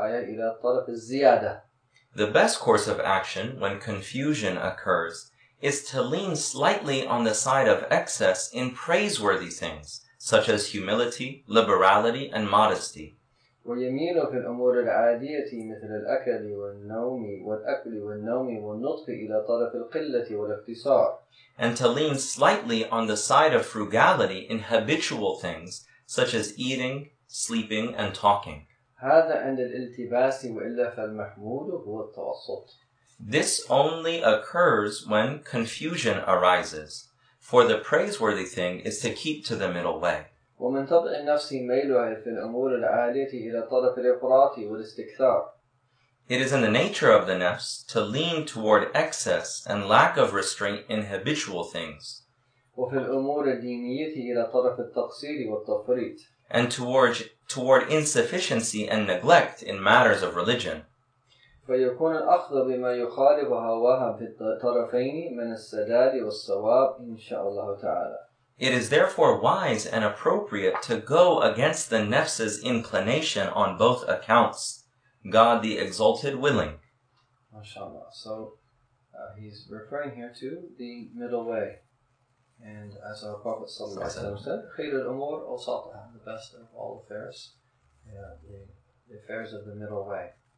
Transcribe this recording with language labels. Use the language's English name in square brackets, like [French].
[English] The best course of action when confusion occurs is to lean slightly on the side of excess in praiseworthy things, such as humility, liberality, and modesty. [Arabic] ويميل في الأمور العادية مثل الأكل والنوم والأكل والنوم والنطق إلى طرف القلة والاقتصار. [English] And to lean slightly on the side of frugality in habitual things such as eating, sleeping, and talking. [Arabic] هذا عند الالتباس وإلا فالمحمود هو التوسط. [English] This only occurs when confusion arises, for the praiseworthy thing is to keep to the middle way. [Arabic] ومن طبع النفس ميلها في الأمور العالية إلى طرف الإفراط والاستكثار. [English] It is in the nature of the nafs to lean toward excess and lack of restraint in habitual things. [Arabic] وفي الأمور الدينية إلى طرف التقصير والتفريط. [English] And toward insufficiency and neglect in matters of religion. [Arabic] فيكون الأخذ بما يخالف هواها في الطرفين من السداد والصواب إن شاء الله تعالى. [English] It is therefore wise and appropriate to go against the nafs's inclination on both accounts, God the Exalted willing. MashaAllah. So he's referring here to the middle way. And as our Prophet said, [Arabic] خَيْرُ الْأُمُورِ أَوْسَطَهَا, [English] the best of all affairs, the affairs of the middle way.